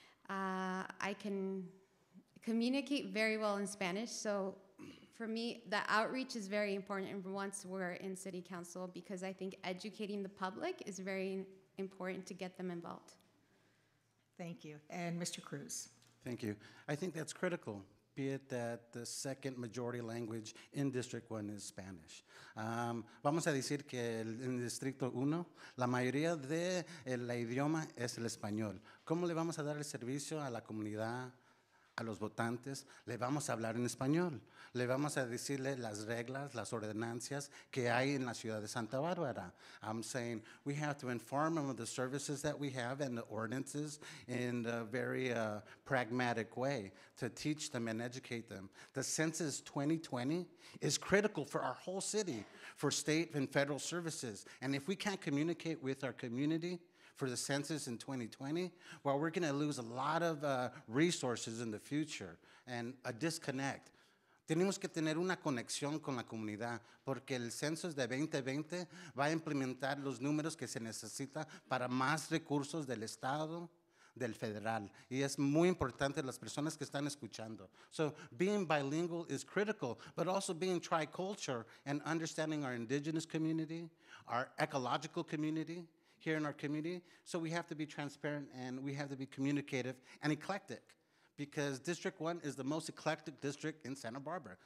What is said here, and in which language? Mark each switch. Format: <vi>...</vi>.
<en>I can communicate very well in Spanish, so for me, the outreach is very important once we're in City Council, because I think educating the public is very important to get them involved. Thank you. And Mr. Cruz. Thank you. I think that's critical, be it that the second majority language in District 1 is Spanish.</en> <es>Vamos a decir que en Distrito 1, la mayoría de el idioma es el español. ¿Cómo le vamos a dar el servicio a la comunidad a los votantes, le vamos a hablar en español. Le vamos a decirle las reglas, las ordenancias que hay en la ciudad de Santa Bárbara.</es> <en>I'm saying we have to inform them of the services that we have and the ordinances in a very pragmatic way to teach them and educate them. The census 2020 is critical for our whole city, for state and federal services. And if we can't communicate with our community for the census in 2020, well, we're going to lose a lot of resources in the future and a disconnect.</en> <es>Tenemos que tener una conexión con la comunidad porque el censo de 2020 va a implementar los números que se necesita para más recursos del Estado, del federal. Y es muy importante las personas que están escuchando.</es> <en>So being bilingual is critical, but also being tri-culture and understanding our indigenous community, our ecological community here in our community. So we have to be transparent and we have to be communicative and eclectic. Because District 1 is the most eclectic district in Santa Barbara.</en>